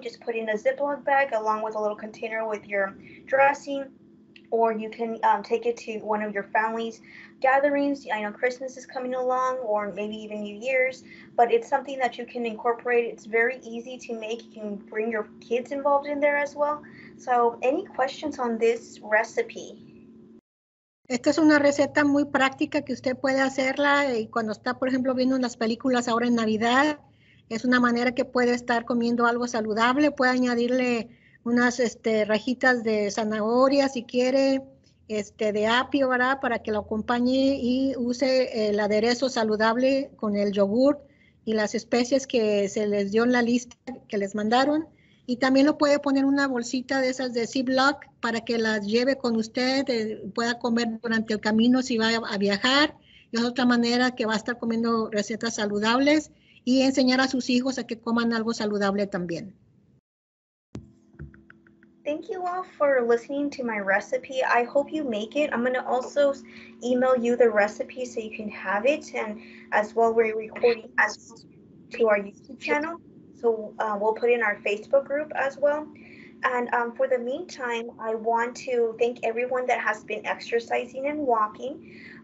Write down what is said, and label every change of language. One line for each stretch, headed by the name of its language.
English: Just put in a Ziploc bag along with a little container with your dressing, or you can take it to one of your family's gatherings. I know Christmas is coming along, or maybe even New Year's, but it's something that you can incorporate. It's very easy to make. You can bring your kids involved in there as well. So any questions on this recipe?
Spanish: Esta es una receta muy práctica que usted puede hacerla, y cuando está, por ejemplo, viendo las películas ahora en Navidad, es una manera que puede estar comiendo algo saludable. Puede añadirle unas rajitas de zanahoria si quiere, de apio, ¿verdad?, para que lo acompañe y use el aderezo saludable con el yogur y las especias que se les dio en la lista que les mandaron. Y también lo puede poner en una bolsita de esas de Ziploc para que las lleve con usted, pueda comer durante el camino si va a viajar. Y es otra manera que va a estar comiendo recetas saludables y enseñar a sus hijos a que coman algo saludable también.
English: Thank you all for listening to my recipe. I hope you make it. I'm going to also email you the recipe so you can have it. And as well, we're recording as well to our YouTube channel. So we'll put in our Facebook group as well. And for the meantime, I want to thank everyone that has been exercising and walking.